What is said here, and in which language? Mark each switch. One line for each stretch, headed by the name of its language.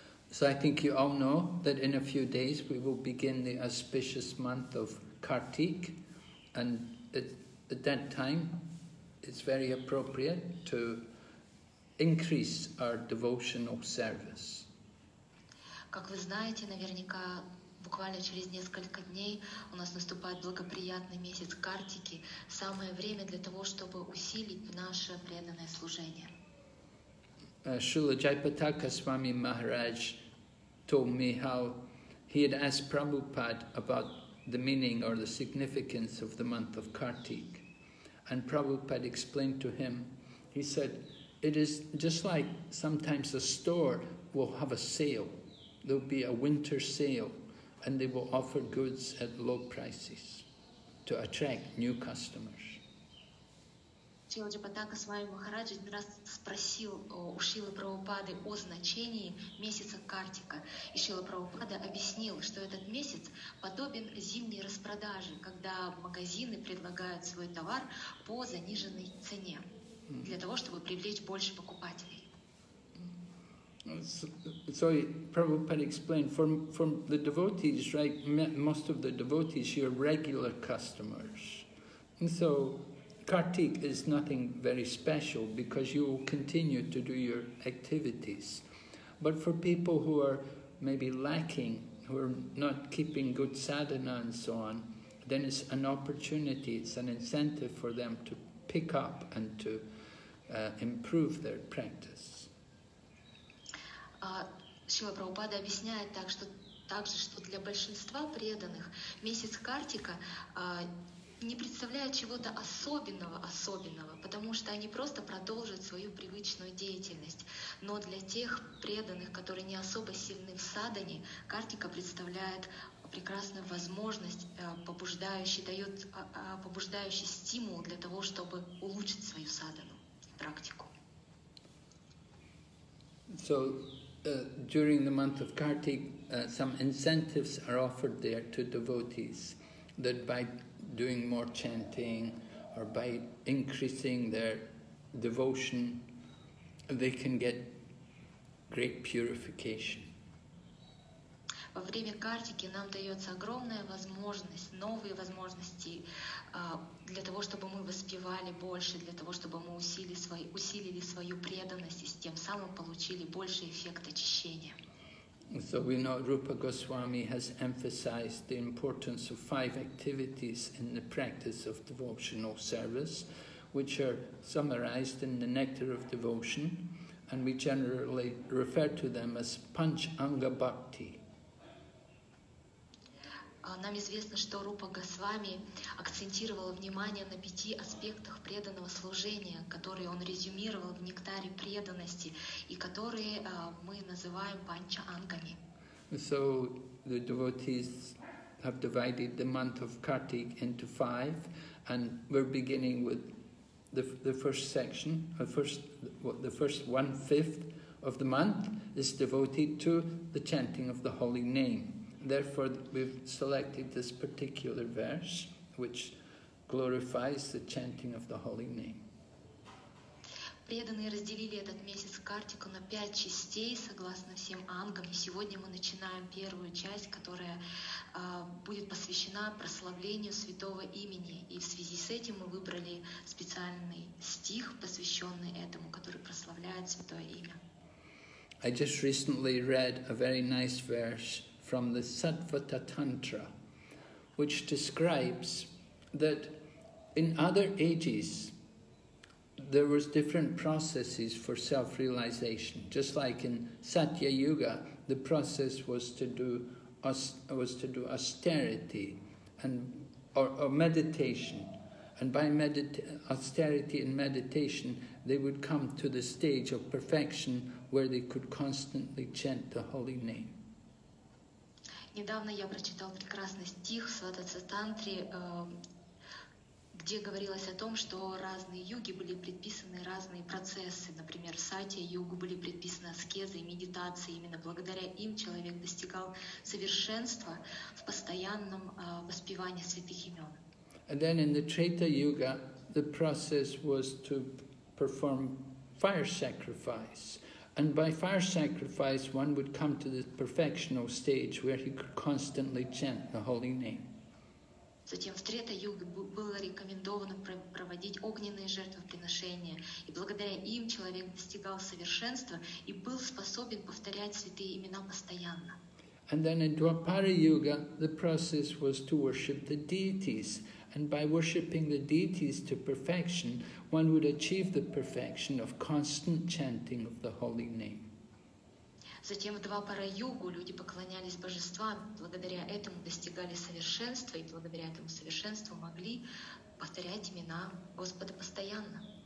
English: So I think you all know that in a few days we will begin the auspicious month of Kartik, and at that time it's very appropriate to increase our devotional service.
Russian: Как вы знаете, наверняка буквально через несколько дней у нас наступает благоприятный месяц Картики, самое время для того, чтобы усилить наше преданное служение.
English: Шрила Джайпатака Свами Махарадж told me how he had asked Prabhupada about the meaning or the significance of the month of Kartik. And Prabhupada explained to him, he said, it is just like sometimes a store will have a sale. There'll be a winter sale and they will offer goods at low prices to attract new customers.
Russian: Шрила Джайпатака Свами Махараджа один раз спросил у Шрилы Прабхупады о значении месяца Картика. И Шрила Прабхупада объяснил, что этот месяц подобен зимней распродаже, когда магазины предлагают свой товар по заниженной цене для того, чтобы привлечь больше покупателей.
English: So Prabhupada explained, from the devotees, right, most of the devotees, your regular customers. And so Kartik is nothing very special because you will continue to do your activities. But for people who are maybe lacking who are not keeping good sadhana and so on, then it's an opportunity, it's an incentive for them to pick up and to improve their practice.
Russian: Шрила Прабхупада объясняет также, что для большинства преданных месяц картика не представляет чего-то особенного, потому что они просто продолжат свою привычную деятельность. Но для тех преданных, которые не особо сильны в садхане, картика представляет прекрасную возможность, побуждающий стимул для того, чтобы улучшить свою садхану, практику.
English: So, during the month of Kartik, some incentives are offered there to devotees that by doing more chanting or by increasing their devotion, they can get great purification.
Russian: Во время картики нам дается огромная возможность, новые возможности для того, чтобы мы воспевали больше, для того, чтобы мы усилили свою преданность и с тем самым получили больше эффект очищения.
English: So we know Rupa Goswami has emphasized the importance of five activities in the practice of devotional service, which are summarized in the Nectar of Devotion, and we generally refer to them as Panch Anga Bhakti.
Russian: Нам известно, что Рупа Госвами акцентировал внимание на пяти аспектах преданного служения, которые он резюмировал в нектаре преданности и которые мы называем панча-ангами.
English: So the devotees have divided the month of Kartik into five, and we're beginning with the first section, the first one-fifth of the month is devoted to the chanting of the holy name. Therefore, we've selected this particular verse, which glorifies the chanting of the holy name.
Russian: Преданные разделили этот месяц картику на пять частей, согласно всем ангам. И сегодня мы начинаем первую часть, которая будет посвящена прославлению святого имени. И в связи с этим мы выбрали специальный стих, посвященный этому, который прославляет святое имя.
English: I just recently read a very nice verse from the Sattvata Tantra, which describes that in other ages there was different processes for self-realization. Just like in Satya Yuga, the process was to do austerity and or meditation, and by austerity and meditation they would come to the stage of perfection where they could constantly chant the holy name.
Russian: Недавно я прочитал прекрасный стих в Сватацатантре, где говорилось о том, что разные юги были предписаны разные процессы. Например, в Сатья-югу были предписаны аскезы и медитации. Именно благодаря им человек достигал совершенства в постоянном воспевании святых имен.
English: And then in the Treta-юга the process was to perform fire sacrifice. And by fire sacrifice, one would come to the perfectional stage where he could constantly chant the holy name.
Russian: Затем в Трета-юге было рекомендовано проводить огненные жертвоприношения, и благодаря им человек достигал совершенства и был способен повторять святые имена постоянно.
English: And then in Двапара-юга, the process was to worship the deities. And by worshipping the deities to perfection, one would achieve the perfection of constant chanting of the holy name.
Russian: Затем в Двапара-югу люди поклонялись божествам, благодаря этому достигали совершенства, и благодаря этому совершенству могли повторять имена Господа постоянно.